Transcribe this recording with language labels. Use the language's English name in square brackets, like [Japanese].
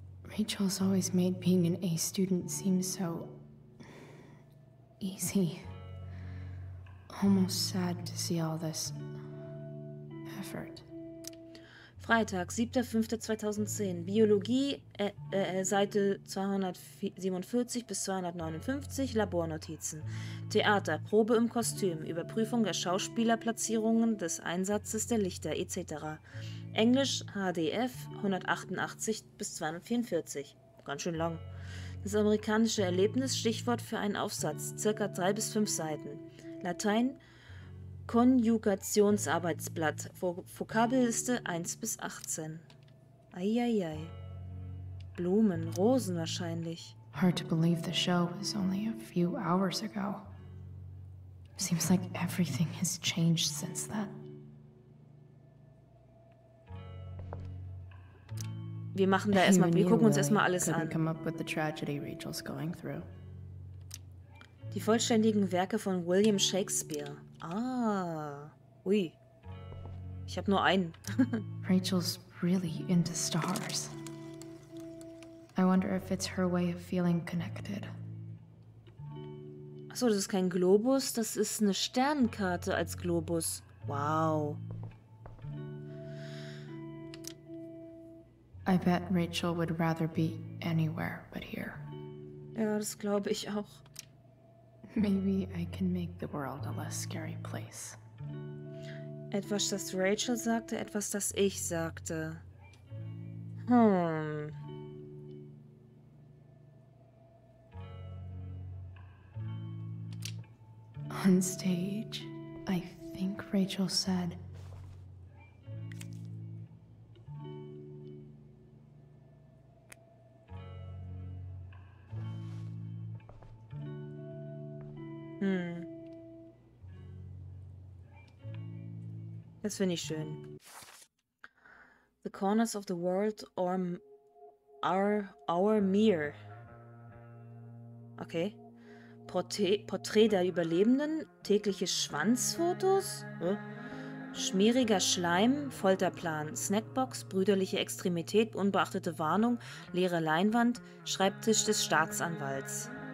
[English] Rachel's always made being an A student seem so easy. Almost sad to see all this effort. [German] Freitag, 7.5.2010, Biologie, Seite 247 bis 259, Labornotizen. Theater, Probe im Kostüm, Überprüfung der Schauspielerplatzierungen, des Einsatzes der Lichter etc. Englisch, HDF 188 bis 244. Ganz schön lang. Das amerikanische Erlebnis, Stichwort für einen Aufsatz, ca. 3 bis 5 Seiten. Latein, Konjugationsarbeitsblatt, Vokabelliste 1 bis 18. Eieiei. Blumen, Rosen wahrscheinlich. [English] Hard to believe the show was only a few hours ago. Seems like everything has changed since then. [German] Wir machen da erstmal, wir gucken uns erstmal alles an. [English] Come up with the tragedy Rachel's going through. [German] Die vollständigen Werke von William Shakespeare. Ah, ui. Ich habe nur einen. [English] Rachel's really into stars. I wonder if it's her way of feeling connected. [German] Achso, das ist kein Globus, das ist eine Sternenkarte als Globus. Wow. [English] I bet Rachel would rather be anywhere but here. [German] Ja, das glaube ich auch. [English] Maybe I can make the world a less scary place. [German] Etwas, das Rachel sagte, etwas, das ich sagte. Hm. [English] On stage, I think Rachel said, [German] Das finde ich schön. [English] The corners of the world are our mirror. Okay. [German] Porträt der Überlebenden, tägliche Schwanzfotos, schmieriger Schleim, Folterplan, Snackbox, brüderliche Extremität, unbeachtete Warnung, leere Leinwand, Schreibtisch des Staatsanwalts.